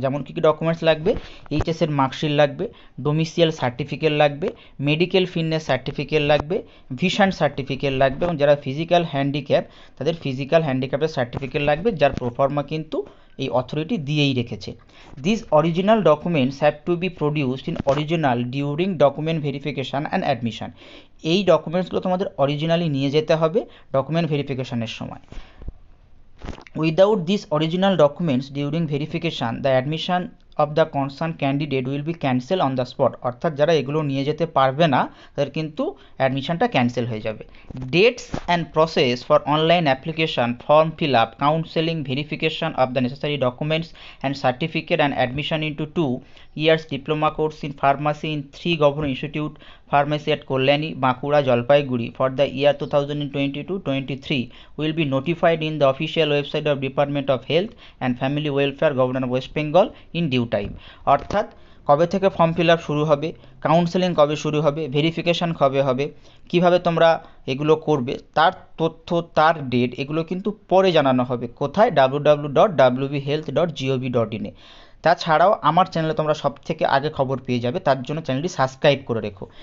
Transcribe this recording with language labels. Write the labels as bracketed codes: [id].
[bn] যেমন কী কী ডকুমেন্টস লাগবে, HS-এর মার্কশিট লাগবে, ডোমিসিয়াল সার্টিফিকেট লাগবে, মেডিকেল ফিটনেস সার্টিফিকেট লাগবে, ভিশন সার্টিফিকেট লাগবে, এবং যারা ফিজিক্যাল হ্যান্ডিক্যাপ তাদের ফিজিক্যাল হ্যান্ডিক্যাপের সার্টিফিকেট লাগবে, যার প্রোফর্মা কিন্তু এই অথরিটি দিয়েই রেখেছে। [en] This original documents have to be produced in original during document verification and admission. [bn] এই ডকুমেন্টসগুলো তোমাদের অরিজিনালি নিয়ে যেতে হবে ডকুমেন্ট ভেরিফিকেশানের সময়। [en] Without these original documents during verification, the admission of the concerned candidate will be cancelled on the spot. [bn] অর্থাৎ যারা এগুলো নিয়ে যেতে পারবে না তাদের কিন্তু অ্যাডমিশনটা ক্যান্সেল হয়ে যাবে। [en] Dates and process for online application, form fill up, counseling, verification of the necessary documents and certificate and admission into 2 years diploma course in pharmacy in 3 government institute, pharmacy at Kalyani, Bankura, Jalpaiguri for the year 2022-23 will be notified in the official website of Department of Health and Family Welfare, Governor of West Bengal in due time. [bn] অর্থাৎ কবে থেকে form fill up শুরু হবে, counselling কবে শুরু হবে, verification কবে হবে, কীভাবে তোমরা এগুলো করবে, তার তথ্য, তার ডেট এগুলো কিন্তু পরে জানানো হবে, কোথায়, www.wbhealth.gov.in-এ। তাছাড়াও আমার চ্যানেলে তোমরা সব থেকে আগে খবর পেয়ে যাবে, তার জন্য চ্যানেলটি সাবস্ক্রাইব করে রেখো।